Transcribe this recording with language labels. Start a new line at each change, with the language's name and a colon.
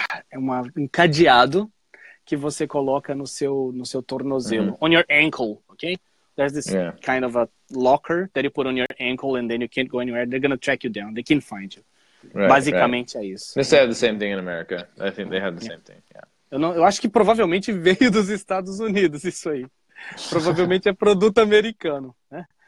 Portuguese: É um encadeado que você coloca no seu tornozelo.
English: Uhum. On your ankle, okay? There's this kind of a locker that you put on your ankle and then you can't go anywhere. They're going to track you down. They can't find you.
Portuguese: Right, basicamente right. É isso.
English: They have the same thing in America. I think they have the same thing. Yeah.
Portuguese: Eu acho que provavelmente veio dos Estados Unidos isso aí. Provavelmente é produto americano, né?